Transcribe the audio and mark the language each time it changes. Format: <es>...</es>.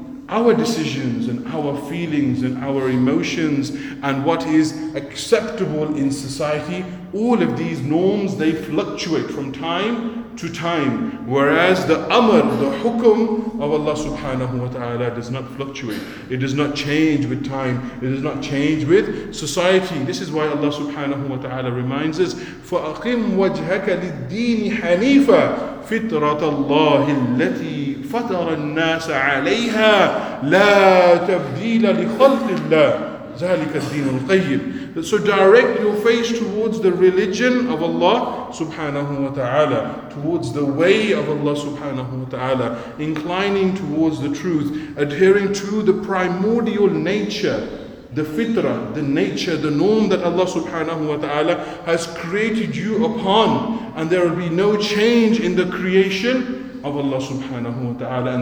<en>Our decisions and our feelings and our emotions and what is acceptable in society, all of these norms, they fluctuate from time to time. Whereas the amr, the hukum of Allah subhanahu wa ta'ala does not fluctuate. It does not change with time. It does not change with society. This is why Allah subhanahu wa ta'ala reminds us,</en> <ar>فَأَقِمْ وَجْهَكَ لِلدِّينِ حَنِيفًا فِطْرَةَ اللَّهِ الَّتِي فَطَرَ النَّاسَ عَلَيْهَا لَا تَبْدِيلَ لِخَلْقِ اللَّهِ ذَلِكَ الدِّينُ الْقَيِّمِ.</ar> <en>So direct your face towards the religion of Allah subhanahu wa ta'ala, towards the way of Allah subhanahu wa ta'ala, inclining towards the truth, adhering to the primordial nature, the fitrah, the nature, the norm that Allah subhanahu wa ta'ala has created you upon, and there will be no change in the creation of Allah subhanahu wa ta'ala.</en>